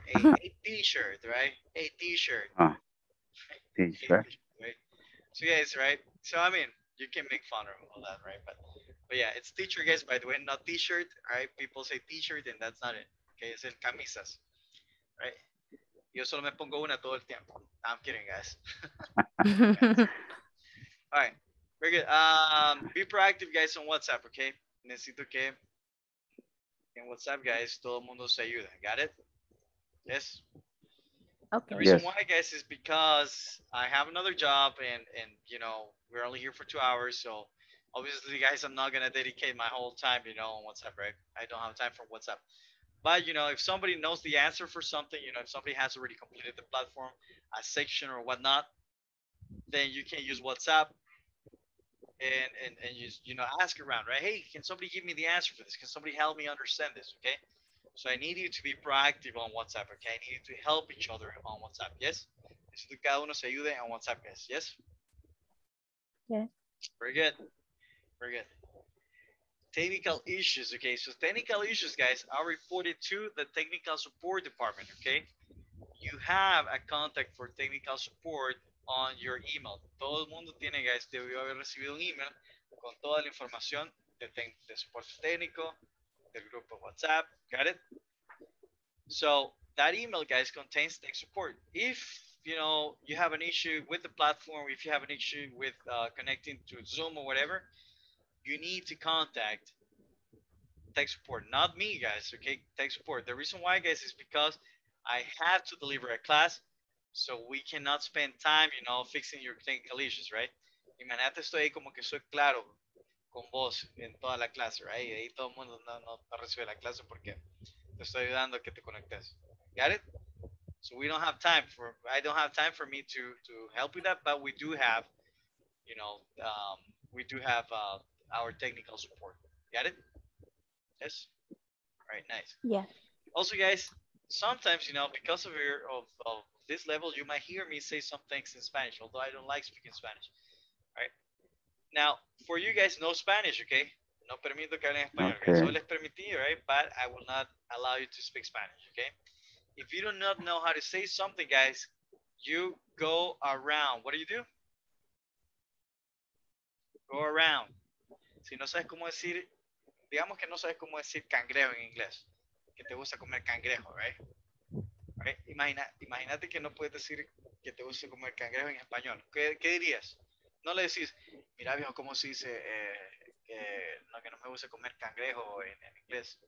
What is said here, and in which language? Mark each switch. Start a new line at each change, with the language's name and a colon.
English: Hey, t-shirt, right? Hey, t-shirt. T-shirt. Hey, t-shirt, right? So, yes, right? So, I mean, you can make fun of all that, right? But yeah, it's teacher, guys, by the way, not t-shirt, right? People say t-shirt and that's not it, okay? It's
Spanish: el camisas,
English: right?
Spanish: Yo solo me pongo una todo el tiempo.
English: I'm kidding, guys. All right. Very good. Be proactive, guys, on WhatsApp, okay?
Spanish: Necesito que en WhatsApp,
English: guys,
Spanish: todo el mundo se ayude.
English: Got it? Yes? Okay. The reason yes. why, guys, is because I have another job and you know, we're only here for 2 hours. So, obviously, guys, I'm not going to dedicate my whole time, you know, on WhatsApp, right? I don't have time for WhatsApp. But, you know, if somebody knows the answer for something, you know, if somebody has already completed the platform, a section or whatnot, then you can use WhatsApp. And just, you know, ask around, right? Hey, can somebody give me the answer for this? Can somebody help me understand this, okay? So I need you to be proactive on WhatsApp, okay? I need you to help each other on WhatsApp, yes?
Spanish: Necesito que cada uno se ayude
English: on WhatsApp, guys, yes? Yes. Very good. Very good. Technical issues, okay? So technical issues, guys, are reported to the technical support department, okay? You have a contact for technical support on your email.
Spanish: Todo el mundo tiene, guys, debió haber recibido un email con toda la información de soporte técnico, del grupo WhatsApp,
English: got it? So that email, guys, contains tech support. If, you know, you have an issue with the platform, if you have an issue with connecting to Zoom or whatever, you need to contact tech support, not me, guys, okay, tech support. The reason why, guys, is because I have to deliver a class. So we cannot spend time, you know, fixing your technical issues, right?
Spanish: Imagínate, estoy ahí como que soy claro con vos en toda la clase,
English: right?
Spanish: Ahí todo el mundo no recibe la clase porque te estoy ayudando a que te conectes.
English: Got it? So we don't have time for, I don't have time for me to help with that, but we do have, you know, we do have our technical support. Got it? Yes? All right, nice. Yeah. Also, guys, sometimes, you know, because of your, of this level, you might hear me say some things in Spanish, although I don't like speaking Spanish, right? Now, for you guys, no Spanish, okay?
Spanish: No permito que hablen español.
English: Okay.
Spanish: Solo les permití,
English: right? But I will not allow you to speak Spanish, okay? If you do not know how to say something, guys, you go around. What do? Go around.
Spanish: Si no sabes cómo decir, digamos que no sabes cómo decir cangrejo en inglés, que te gusta comer cangrejo,
English: right? Okay.
Spanish: Imagínate que no puedes decir que te gusta comer cangrejo en español. ¿Qué dirías? No le decís, mira viejo, ¿cómo se dice que no me gusta comer cangrejo en inglés?